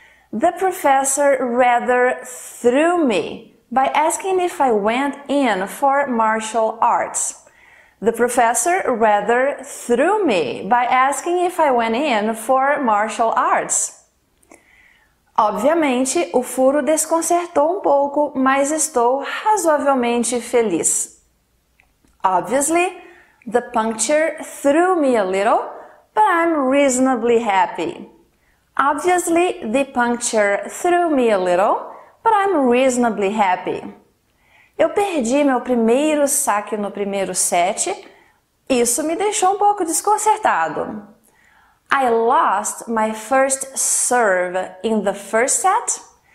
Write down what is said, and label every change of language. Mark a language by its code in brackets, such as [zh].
[en] The professor rather threw me by asking if I went in for martial arts. The professor rather threw me by asking if I went in for martial arts. [pt] Obviamente, o furo desconcertou um pouco, mas estou razoavelmente feliz. [en] Obviously, the puncture threw me a little, but I'm reasonably happy. Obviously, the puncture threw me a little, but I'm reasonably happy. [pt] Eu perdi meu primeiro saque no primeiro set. Isso me deixou um pouco desconcertado. [en] I lost my first serve in the first set.